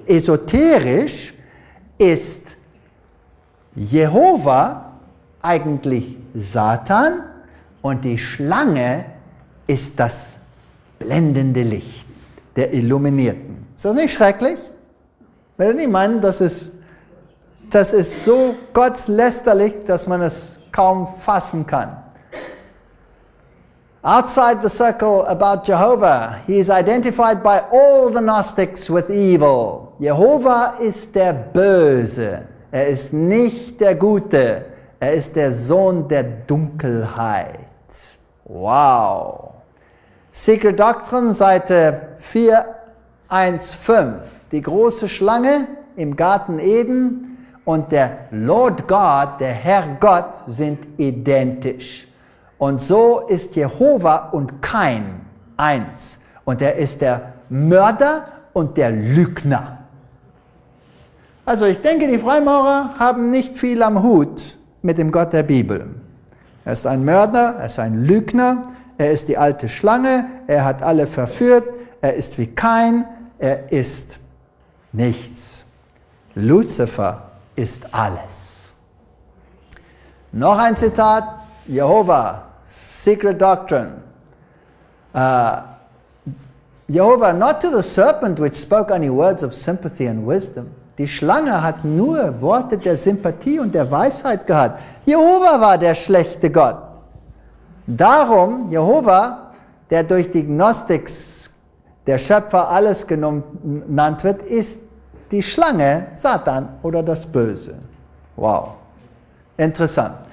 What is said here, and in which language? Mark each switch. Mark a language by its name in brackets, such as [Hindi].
[German] Esoterisch ist Jehova eigentlich Satan und die Schlange ist das blendende Licht der Illuminierten. Ist das nicht schrecklich? Würde nicht meinen, das ist so gottlästerlich, dass man es kaum fassen kann. [English] Outside the circle about Jehovah, he is identified by all the Gnostics with evil. [German] Jehovah ist der Böse. Er ist nicht der Gute. Er ist der Sohn der Dunkelheit. Wow. Secret Doctrine, Seite 415. Die große Schlange im Garten Eden und der Lord God, der Herr Gott, sind identisch. Und so ist Jehova und Kain eins. Und er ist der Mörder und der Lügner. Also ich denke, die Freimaurer haben nicht viel am Hut mit dem Gott der Bibel. Er ist ein Mörder, er ist ein Lügner, er ist die alte Schlange, er hat alle verführt, er ist wie Kain, er ist nichts. Luzifer ist alles. Noch ein Zitat, Jehova. Secret Doctrine. [English] Jehovah, not to the serpent which spoke only words of sympathy and wisdom. [German] Die Schlange hat nur Worte der Sympathie und der Weisheit gehabt. Jehovah war der schlechte Gott. Darum, Jehovah, der durch die Gnostics der Schöpfer alles genannt wird, ist die Schlange, Satan oder das Böse. Wow. Interessant.